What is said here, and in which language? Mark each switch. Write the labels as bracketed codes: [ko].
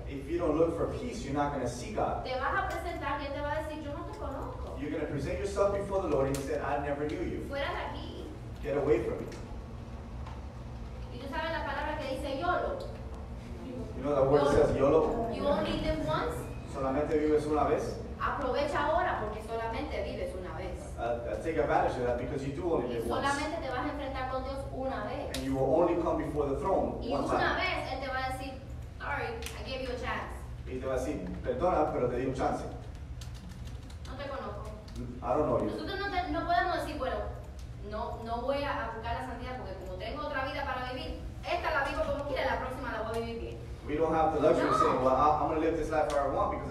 [en] If you don't look for peace, you're not going to see God. [es] Te vas a presentar y él te va a decir, yo no te conozco. [en] You're going to present yourself before the Lord and he said, I never knew you. [es] Fuera de aquí. [en] Get away from me. [es] ¿Tú sabes la palabra que dice YOLO? [en] You know that word YOLO. Says YOLO? You only live once. [es] Solamente vives una vez. Aprovecha ahora porque solamente vives una vez. [en] Take advantage of that because you do only live [es] solamente Solamente te vas a enfrentar con Dios una vez. [en] And you will only come before the throne [es] y [en] one [es] una Vez Él te va a decir, [en] sorry, I gave you a chance. [es] Y te va a decir, perdona, pero te di un chance. No te conozco. [en] I don't know you. [es] Nosotros no podemos decir, bueno, no voy a buscar la santidad porque como tengo otra vida para vivir, esta la vivo como quiera, la próxima la voy a vivir bien. [en] We don't have the luxury of saying, well, I'm going to live this life however I want because